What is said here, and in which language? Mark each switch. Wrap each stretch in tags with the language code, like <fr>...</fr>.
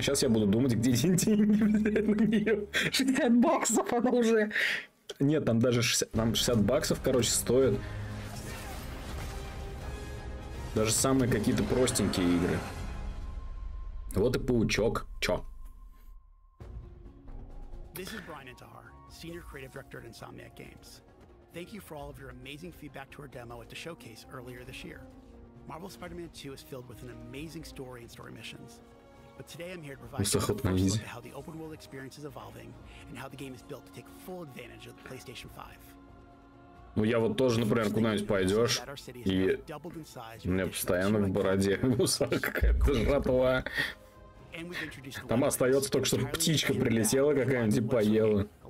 <ru>А сейчас я буду думать, где деньги на Wii U. 60 баксов она уже. Нет, там даже 60, там 60 баксов, короче, стоит. Даже самые какие-то простенькие игры. Вот и паучок. Чё?</ru> <en>This is Brian Intihar, senior creative director at Insomniac Games. Thank you for all of your amazing feedback to our demo at the showcase earlier this year. Marvel Spider-Man 2 is filled with an amazing story and story missions. But today I'm here to provide you with a look at how the open world experience is evolving and how the game is built to take full advantage of the PlayStation 5.</en> <ru>Ну я вот тоже, например, куда-нибудь пойдешь, и у меня постоянно в бороде какая-то жратва. Там остается только, чтобы птичка прилетела какая-нибудь и поела.</ru>